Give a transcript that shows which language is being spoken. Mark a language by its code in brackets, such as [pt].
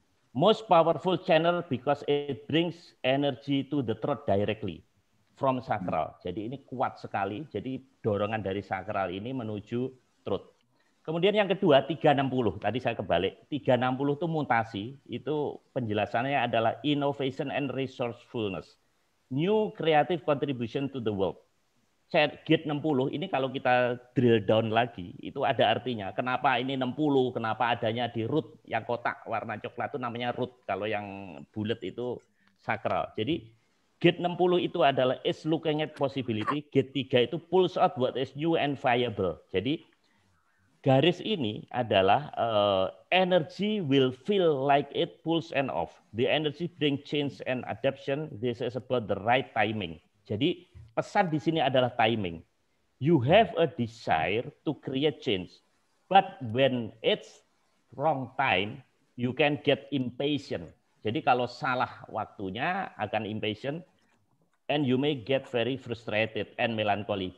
[en] Most powerful channel because it brings energy to the throat directly from sacral. [id] Jadi ini kuat sekali. Jadi dorongan dari sacral ini menuju throat. Kemudian yang kedua, 360. Tadi saya kebalik. 360 itu mutasi. Itu penjelasannya adalah [en] innovation and resourcefulness. New creative contribution to the world. [id] Gate 60 ini kalau kita [en] drill down [id] lagi, itu ada artinya. Kenapa ini 60? Kenapa adanya di root? Yang kotak warna coklat itu namanya root. Kalau yang bulat itu sakral. Jadi gate 60 itu adalah [en] is looking at possibility. Gate 3 itu pulls out what is new and viable. [id] Jadi garis ini adalah [en] energy will feel like it pulls and off. The energy bring change and adaption. This is about the right timing. [id] Jadi pesan di sini adalah timing. [en] You have a desire to create change. But when it's wrong time, you can get impatient. [id] Jadi kalau salah waktunya akan impatient. [en] And you may get very frustrated and melancholy.